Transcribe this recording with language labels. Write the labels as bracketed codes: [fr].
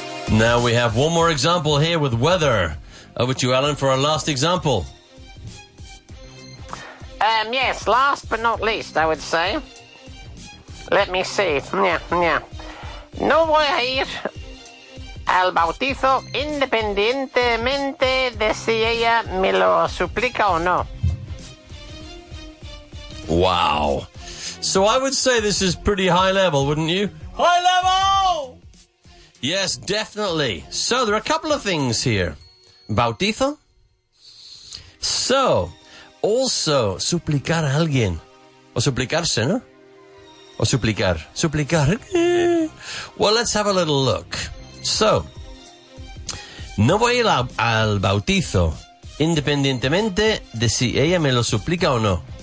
[en] Now we have one more example here with weather. Over to you, Alan, for our last example. Yes, last but not least, I would say. Let me see. [es] No voy a ir al bautizo independientemente de si ella me lo suplica o no. [en] Wow. So I would say this is pretty high level, wouldn't you? High level! Yes, definitely. So there are a couple of things here. [es] Bautizo. [en] So, also, [es] suplicar a alguien. O suplicarse, ¿no? O suplicar. Suplicar. [en] Well, let's have a little look. [es] So, no voy a ir al bautizo independientemente de si ella me lo suplica o no.